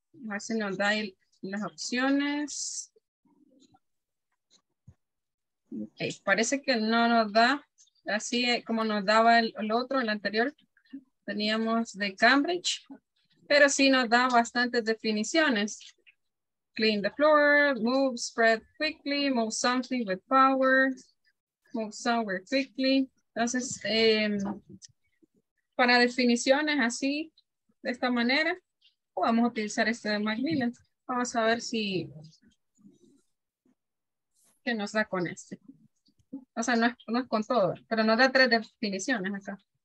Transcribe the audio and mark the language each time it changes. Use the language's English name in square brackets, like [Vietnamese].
[Spanish] A ver si nos da las opciones. Okay. Parece que no nos da. Así como nos daba el otro, el anterior. Teníamos de Cambridge, pero sí nos da bastantes definiciones. [English] Clean the floor, move, spread quickly, move something with power, move somewhere quickly. [Spanish] Entonces, para definiciones así, de esta manera, vamos a utilizar este de Macmillan. Vamos a ver si, qué nos da con este. O sea, no es con todo, pero nos da tres definiciones acá.